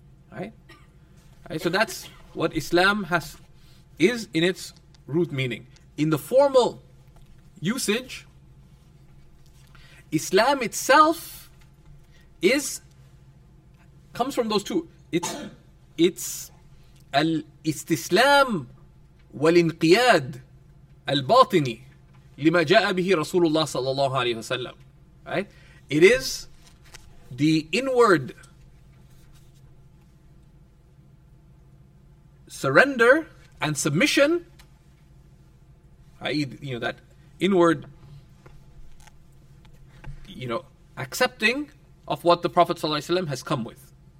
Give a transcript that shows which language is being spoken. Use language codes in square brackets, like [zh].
[en] Right? So that's what Islam is in its root meaning. In the formal usage, Islam itself comes from those two. It's [ar] al-istislam والانقياد الباطني لما جاء به رسول الله صلى الله عليه وسلم. [en] Right? It is the inward surrender and submission, i.e., you know, that inward, you know, accepting of what the Prophet صلى الله عليه وسلم has come with.